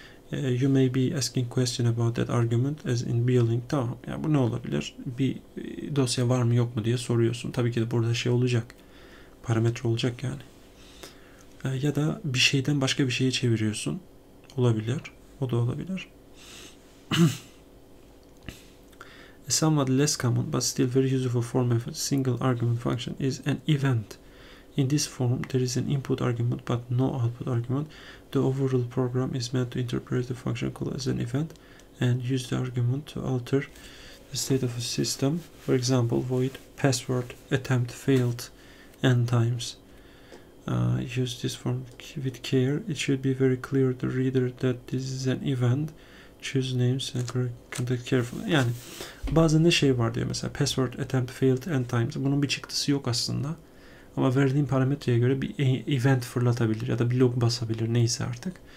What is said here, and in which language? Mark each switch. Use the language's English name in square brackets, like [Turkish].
[English] You may be asking question about that argument as in building. [Turkish] Tamam ya yani bu ne olabilir? Bir dosya var mı yok mu diye soruyorsun. Tabii ki de burada şey olacak. Parametre olacak yani. Ya da bir şeyden başka bir şeye çeviriyorsun. Olabilir. O da olabilir. [English] Somewhat less common but still very useful form of a single argument function is an event. In this form, there is an input argument but no output argument. The overall program is meant to interpret the function call as an event and use the argument to alter the state of a system. For example, void password attempt failed n times. Use this form with care. It should be very clear to the reader that this is an event. Choose names and correct context carefully. [Turkish] Yani bazında şey var diyor mesela password attempt failed n times. Bunun bir çıktısı yok aslında. Ama verdiğim parametreye göre bir event fırlatabilir ya da bir log basabilir neyse artık.